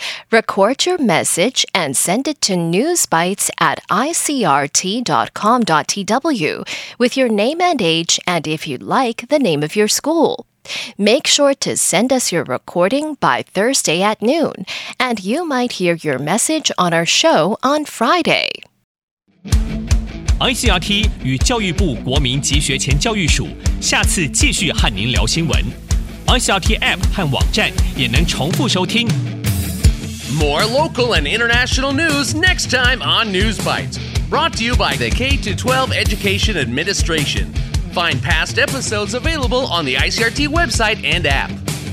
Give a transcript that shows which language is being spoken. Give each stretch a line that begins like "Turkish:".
English: Record your message and send it to newsbites@icrt.com.tw with your name and age and, if you'd like, the name of your school. Make sure to send us your recording by Thursday at noon, and you might hear your message on our show on Friday.
Chinese: ICRT 与教育部国民及学前教育署下次继续和您聊新闻。 ICRT App 和网站也能重复收听。
English: More local and international news next time on News Bites, brought to you by the K-12 Education Administration. Find past episodes available on the ICRT website and app.